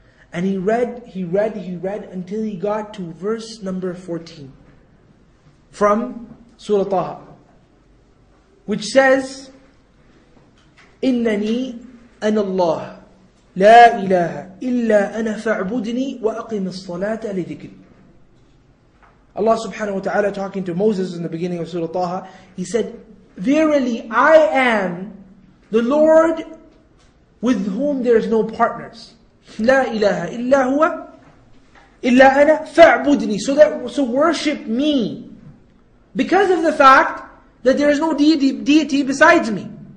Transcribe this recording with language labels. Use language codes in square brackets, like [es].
[en] And he read until he got to verse number 14 from Surah Taha, which says, [ar] إِنَّنِي أَنَ اللَّهِ لَا إِلَهَ إِلَّا أَنَا فَاعْبُدْنِي وَأَقِمِ الصَّلَاةَ لِذِكْرِ. [en] Allah subhanahu wa ta'ala talking to Moses in the beginning of Surah Taha, he said, verily I am the Lord with whom there is no partners. [ar] لا إله إلا هو إلا أنا فاعبدني. [en] So worship me. Because of the fact that there is no deity besides me.